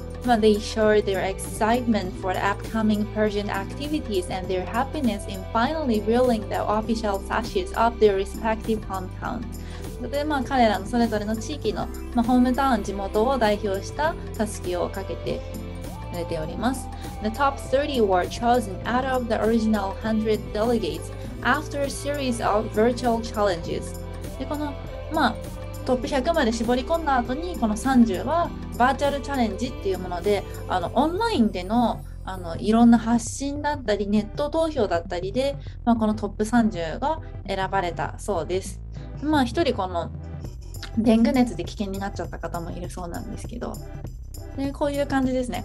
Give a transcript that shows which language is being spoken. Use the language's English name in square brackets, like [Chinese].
[English] ultimately showed their excitement for the upcoming Persian activities and their happiness in finally ruling the official sashes of their respective hometown. [Japanese] でまあ、彼らのそれぞれの地域の、まあ、ホームタウン地元を代表したタスキをかけて出ております。 [English] The top 30 were chosen out of the original 100 delegates after a series of virtual challenges. [Japanese] でこの、まあ、トップ100まで絞り込んだ後にこの30はバーチャルチャレンジっていうものであのオンラインでのあのいろんな発信だったりネット投票だったりで、まあ、このトップ30が選ばれたそうです。まあ一人このデング熱で危険になっちゃった方もいるそうなんですけど、でこういう感じですね。